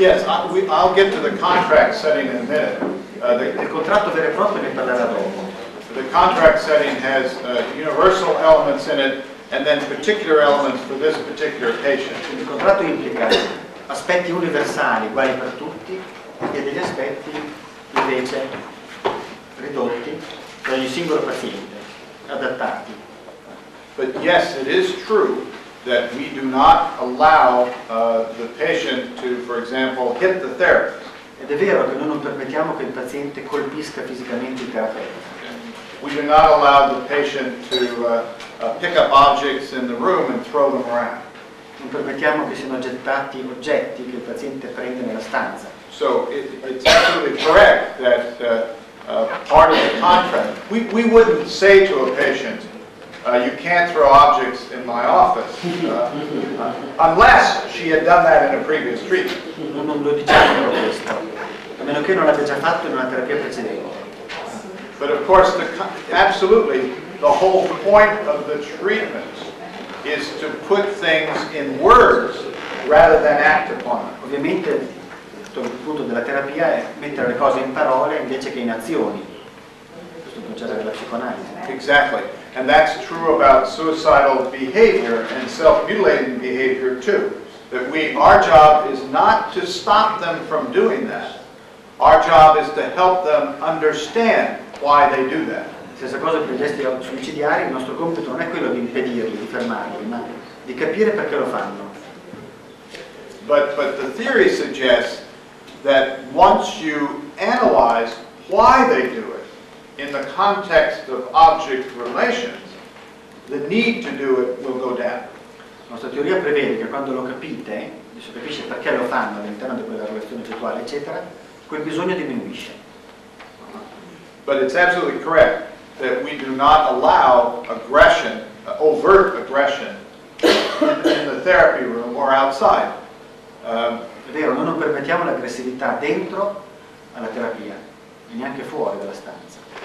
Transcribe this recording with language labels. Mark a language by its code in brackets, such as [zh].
[en] Yes, I'll get to the contract setting in a minute. [it] Il contratto vero e proprio ne parlerà dopo. [en] The contract setting has universal elements in it. And then particular elements for this particular patient. [it] Il contratto implica aspetti universali, uguali per tutti, e degli aspetti invece ridotti da ogni singolo paziente, adattati. [en] But yes, it is true that we do not allow the patient to, for example, hit the therapist. [it] Ed è vero che noi non permettiamo che il paziente colpisca fisicamente il terapeuta. [en] We do not allow the patient to pick up objects in the room and throw them around. [it] non permettiamo che siano gettati oggetti che il paziente prende nella stanza. [en] So it's absolutely correct that part of the contract, we wouldn't say to a patient, you can't throw objects in my office, unless she had done that in a previous treatment. [it] Non lo diciamo questo, a meno che non l'abbia già fatto in una terapia precedente. [en] But of course, absolutely, the whole point of the treatment is to put things in words rather than act upon them. [it] Ovviamente, il punto della terapia è mettere le cose in parole invece che in azioni. Questo è il concetto della psicoanalisi. [en] Exactly. And that's true about suicidal behavior and self-mutilating behavior too. That our job is not to stop them from doing that. Our job is to help them understand why they do that. [it] Stessa cosa per i gesti suicidiari, il nostro compito non è quello di impedirli, di fermarli, ma di capire perché lo fanno. [en] But the theory suggests that once you analyze why they do it in the context of object relations, the need to do it will go down. [it] La nostra teoria prevede che quando lo capite, si capisce perché lo fanno all'interno di quella relazione sessuale, eccetera, quel bisogno diminuisce. [en] But it's absolutely correct that we do not allow aggression, overt aggression, in the therapy room or outside. [it] È vero, noi non permettiamo l'aggressività dentro alla terapia, e neanche fuori dalla stanza.